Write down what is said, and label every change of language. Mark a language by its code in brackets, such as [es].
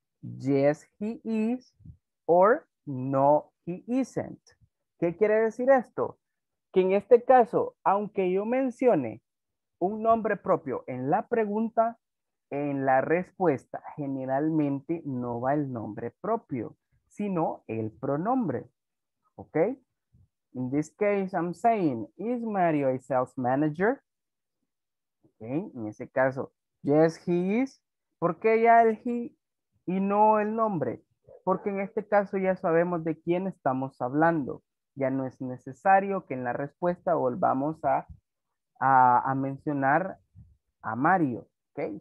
[en] Yes, he is, or no, he isn't. [es] ¿Qué quiere decir esto? Que en este caso, aunque yo mencione un nombre propio en la pregunta, en la respuesta generalmente no va el nombre propio, sino el pronombre. ¿Ok? [en] In this case, I'm saying, is Mario a sales manager? [es] ¿Ok? En ese caso, [en] yes, he is. [es] ¿Por qué ya el he y no el nombre? Porque en este caso ya sabemos de quién estamos hablando. Ya no es necesario que en la respuesta volvamos a mencionar a Mario, ¿ok?